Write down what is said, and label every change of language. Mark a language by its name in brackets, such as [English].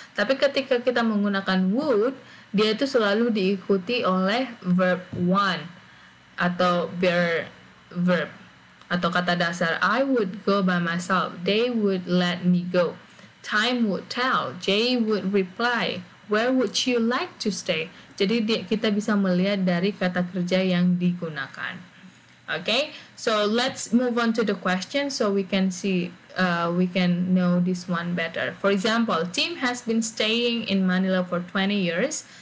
[Indonesian] Tapi ketika kita menggunakan would, dia itu selalu diikuti oleh verb 1 atau bare verb. Atau kata dasar, [English] I would go by myself, they would let me go, time would tell, Jay would reply, where would you like to stay? [Indonesian] Jadi kita bisa melihat dari kata kerja yang digunakan. [English] Okay, so let's move on to the question so we can see, we can know this one better. For example, Tim has been staying in Manila for 20 years.